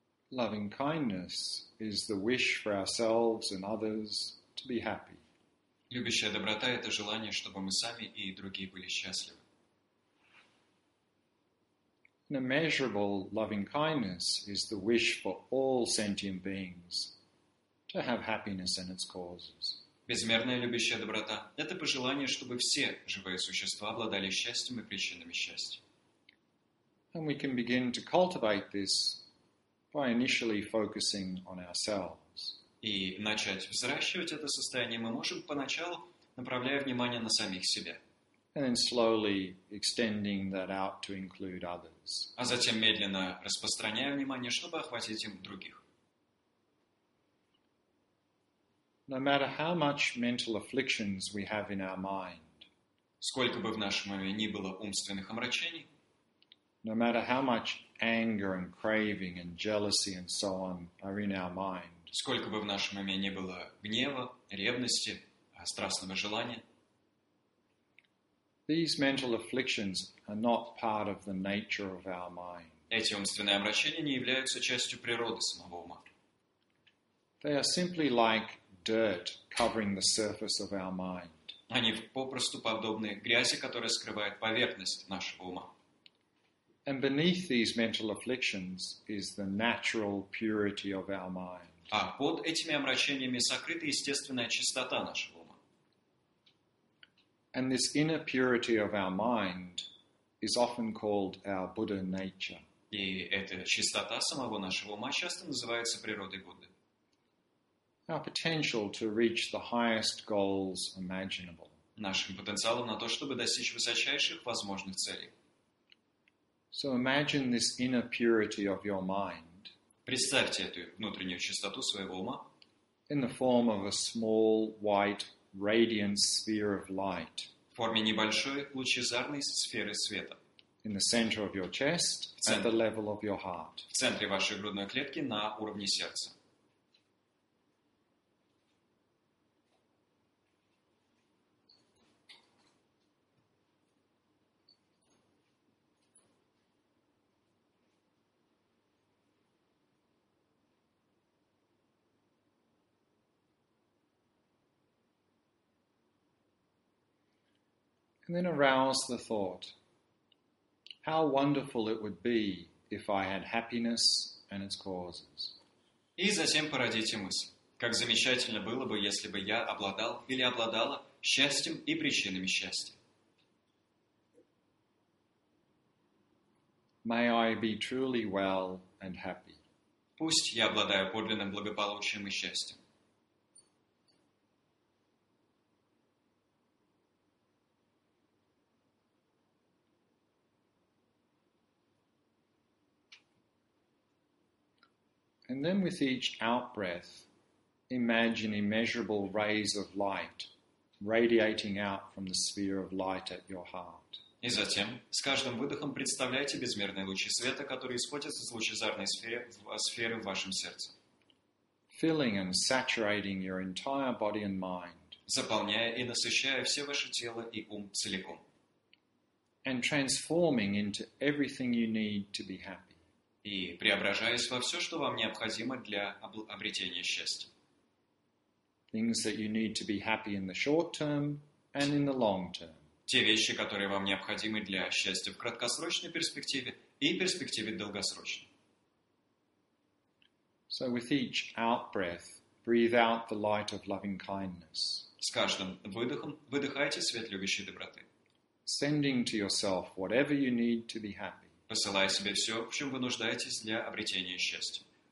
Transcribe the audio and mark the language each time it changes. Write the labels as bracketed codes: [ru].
[en] loving kindness is the wish for ourselves and others to be happy. [ru] Любящая доброта — это желание, чтобы мы сами и другие были счастливы. [en] An immeasurable loving kindness is the wish for all sentient beings to have happiness and its causes. [ru] Безмерная любящая доброта — это пожелание, чтобы все живые существа обладали счастьем и причинами счастья. [en] And we can begin to cultivate this by initially focusing on ourselves. [ru] И начать взращивать это состояние мы можем поначалу, направляя внимание на самих себя. [en] And then slowly extending that out to include others. [ru] А затем медленно распространяя внимание, чтобы охватить им других. [en] No matter how much mental afflictions we have in our mind. [ru] Сколько бы в нашем уме ни было умственных омрачений. [en] No matter how much anger and craving and jealousy and so on are in our mind. [ru] Сколько бы в нашем уме ни было гнева, ревности, страстного желания. [en] These mental afflictions are not part of the nature of our mind. [ru] Эти умственные омрачения не являются частью природы самого ума. [en] They are simply like dirt covering the surface of our mind. [ru] Они попросту подобны грязи, которая скрывает поверхность нашего ума. [en] And beneath these mental afflictions is the natural purity of our mind. [ru] А под этими омрачениями сокрыта естественная чистота нашего ума. [en] And this inner purity of our mind is often called our Buddha nature. [ru] И эта чистота самого нашего ума часто называется природой Будды. [en] Our potential to reach the highest goals imaginable. [ru] Нашим потенциалом на то, чтобы достичь высочайших возможных целей. [en] So imagine this inner purity of your mind. [ru] Представьте эту внутреннюю чистоту своего ума. [en] In the form of a small white radiant sphere of light. [ru] В форме небольшой лучезарной сферы света. [en] In the center of your chest, at the level of your heart. [ru] В центре вашей грудной клетки на уровне сердца. [en] And then arouse the thought, how wonderful it would be if I had happiness and its causes. [ru] И затем породите мысль, как замечательно было бы, если бы я обладал или обладала счастьем и причинами счастья. [en] May I be truly well and happy. [ru] Пусть я обладаю подлинным благополучием и счастьем. [en] And then with each out-breath, imagine immeasurable rays of light radiating out from the sphere of light at your heart. [ru] И затем, с каждым выдохом, представляйте безмерные лучи света, которые исходят из лучезарной сферы в вашем сердце. [en] Filling and saturating your entire body and mind. [ru] Заполняя и насыщая все ваше тело и ум целиком. [en] And transforming into everything you need to be happy. [ru] И преображаясь во все, что вам необходимо для обретения счастья. [en] Things that you need to be happy in the short term and in the long term. [ru] Те вещи, которые вам необходимы для счастья в краткосрочной перспективе и перспективе долгосрочной. [en] So with each out-breath, breathe out the light of loving kindness. [ru] С каждым выдохом выдыхайте свет любящей доброты. [en] Sending to yourself whatever you need to be happy. [ru] Посылая себе все, в чем вы нуждаетесь для обретения счастья.